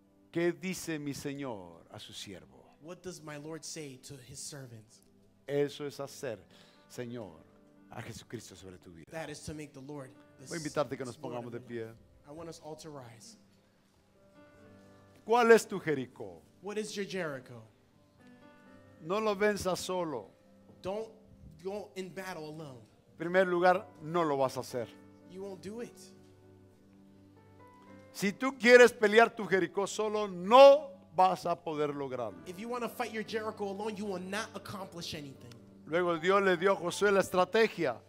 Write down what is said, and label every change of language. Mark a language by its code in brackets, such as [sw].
[es] ¿Qué dice mi Señor a su siervo? [en] What does my Lord say to His servant? [es] Eso es hacer, Señor, a Jesucristo sobre tu vida. [en] That is to make the Lord. [es] Voy a invitarte que nos pongamos de pie. [en] I want us all to rise. [es] ¿Cuál es tu Jericó? [en] What is your Jericho? [es] No lo venzas solo. [en] Don't go in battle alone. [es] En primer lugar, no lo vas a hacer. [en] You won't do it. [es] Si tú quieres pelear tu Jericó solo, no vas a poder lograrlo. [en] If you want to fight your Jericho alone, you will not accomplish anything. [es] Luego Dios le dio a Josué la estrategia.